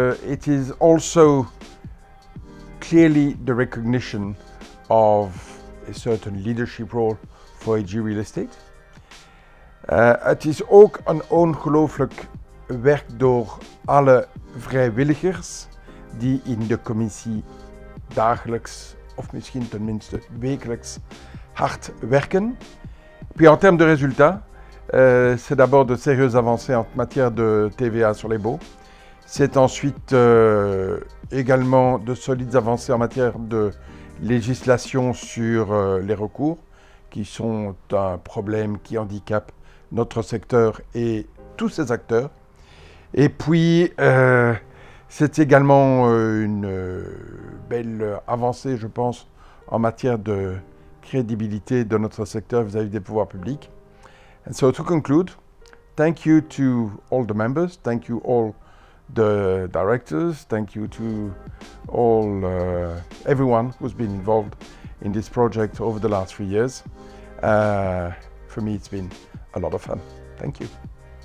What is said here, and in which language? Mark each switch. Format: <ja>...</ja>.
<en>It is also clearly the recognition of a certain leadership role for AG Real Estate.</en> <nl>Het is ook een ongelooflijk werk door alle vrijwilligers die in de commissie dagelijks of misschien tenminste wekelijks hard werken.</nl> <fr>Puis en termes de résultats, c'est d'abord de sérieuses avancées en matière de TVA sur les baux. C'est ensuite également de solides avancées en matière de législation sur les recours, qui sont un problème qui handicape notre secteur et tous ses acteurs. Et puis, c'est également une belle avancée, je pense, en matière de crédibilité de notre secteur vis-à-vis des pouvoirs publics.</fr> <en>And so to conclude, thank you to all the members, thank you all the directors, thank you to all everyone who's been involved in this project over the last 3 years. For me, it's been a lot of fun. Thank you.</en>